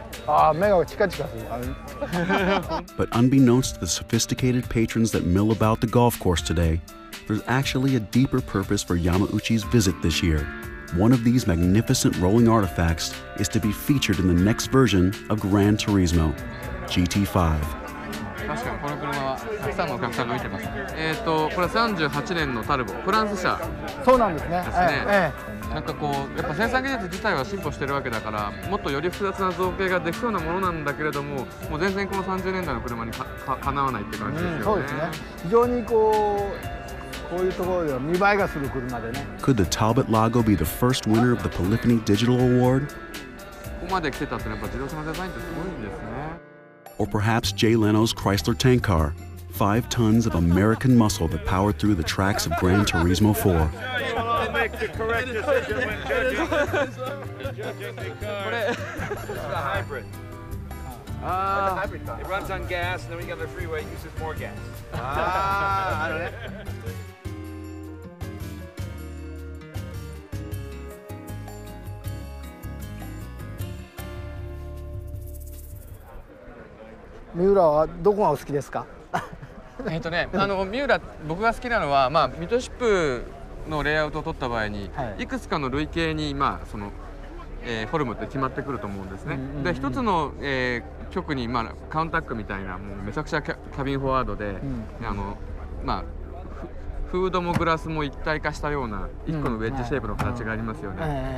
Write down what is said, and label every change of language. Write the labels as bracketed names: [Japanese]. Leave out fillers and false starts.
[English] But unbeknownst to the sophisticated patrons that mill about the golf course today, there's actually a deeper purpose for Yamauchi's visit this year. One of these magnificent rolling artifacts is to be featured in the next version of Gran Turismo, GT5. [Japanese] さんのお客さんが見てます。これは38年のタルボ、フランス車。そうなんですね。なんかこうやっぱ生産技術自体は進歩してるわけだから、もっとより複雑な造形ができそうなものなんだけれども、もう全然この30年代の車に かなわないって感じですよね。うん、そうですね。非常にこうこういうところでは見栄えがする車でね。 [English] Could the Talbot Lago be the first winner of the Polyphony Digital Award? [Japanese] ここまで来てたってやっぱ自動車のデザインってすごいんですね。 [English] Or perhaps Jay Leno's Chrysler Tank Car, 5 tons of American muscle that powered through the tracks of Gran Turismo 4. Make the correct decision when judging the car. It's a hybrid. It's a hybrid car. It runs on gas, and then when you go to the freeway, it uses more [Japanese] Miura, 僕が好きなのは、まあ、ミトシップのレイアウトを取った場合に、はい、いくつかの類型に、まあそのフォルムって決まってくると思うんですね。で一つの、曲に、まあ、カウンタックみたいな、もうめちゃくちゃキャビンフォワードで、うん、まあ、フードもグラスも一体化したような一個のウェッジシェイプの形がありますよね。